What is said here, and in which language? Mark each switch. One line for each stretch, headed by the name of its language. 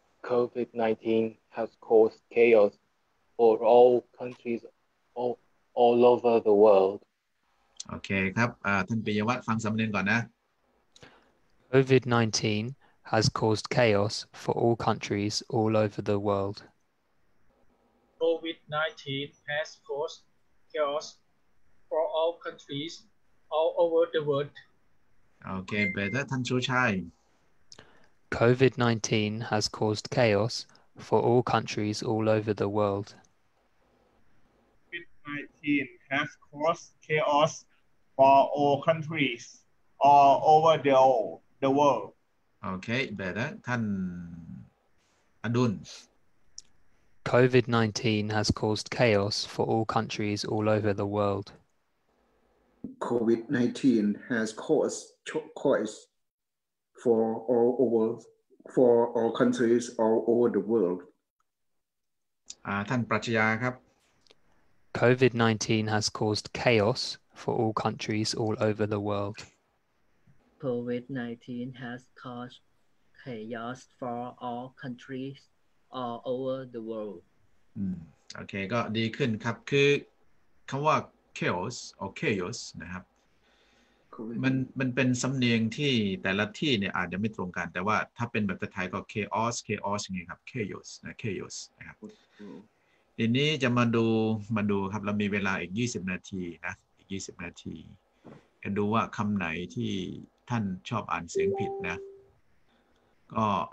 English: COVID-19 has caused chaos for all countries all over the world.
Thai: Okay, ครับท่านปิยวัฒน์ฟังสำเนียงก่อนนะ
English: COVID-19 has caused chaos for all countries all over the world. COVID-19 has caused chaos for all countries all over the world. Okay, better ท่านชูชัย COVID-19 has caused chaos for all countries all over the world. COVID-19 has caused chaos for all countries all over the world. Okay, better ท่านอดุล COVID-19 has caused chaos for all countries all over the world. COVID-19 has caused chaos for all over for all countries all over the world.
Thai: ท่านปรัชญาครับ
English: COVID-19 has caused chaos for all countries all over the world. COVID-19 has caused chaos for all countries all over the world.
Thai: โอเคก็ดีขึ้นครับคือคำว่า chaos or chaos นะครับมันเป็นสำเนียงที่แต่ละที่เนี่ยอาจจะไม่ตรงกันแต่ว่าถ้าเป็นแบบไทยก็ chaos ไงครับ chaos นะ chaos นะครับทีนี้จะมาดูครับเรามีเวลาอีก20นาทีนะอีก20นาทีจะดูว่าคำไหนที่ท่านชอบอ่านเสียงผิดนะก็